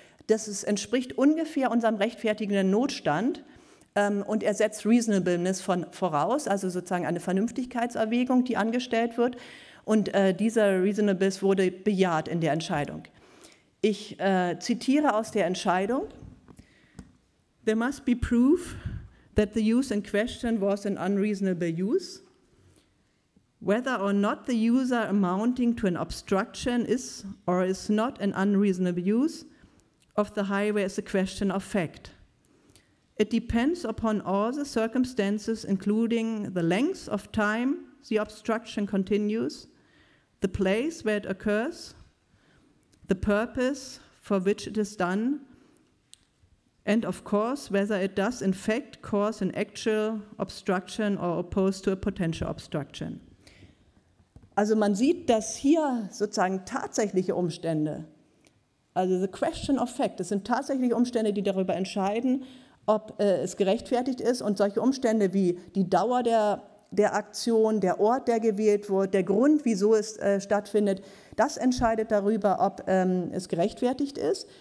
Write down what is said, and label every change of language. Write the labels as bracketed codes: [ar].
[de] Das entspricht ungefähr unserem rechtfertigenden Notstand. Und er setzt Reasonableness voraus, also sozusagen eine Vernünftigkeitserwägung, die angestellt wird. Und dieser Reasonableness wurde bejaht in der Entscheidung. Ich zitiere aus der Entscheidung. [en] There must be proof that the use in question was an unreasonable use. Whether or not the user amounting to an obstruction is or is not an unreasonable use of the highway is a question of fact. It depends upon all the circumstances, including the length of time the obstruction continues, the place where it occurs, the purpose for which it is done, and of course, whether it does in fact cause an actual obstruction or opposed to a potential obstruction. [de] Also man sieht, dass hier sozusagen tatsächliche Umstände, also [en] the question of fact, [de] es sind tatsächliche Umstände, die darüber entscheiden, ob es gerechtfertigt ist, und solche Umstände wie die Dauer der Aktion, der Ort, der gewählt wurde, der Grund, wieso es stattfindet, das entscheidet darüber, ob es gerechtfertigt ist.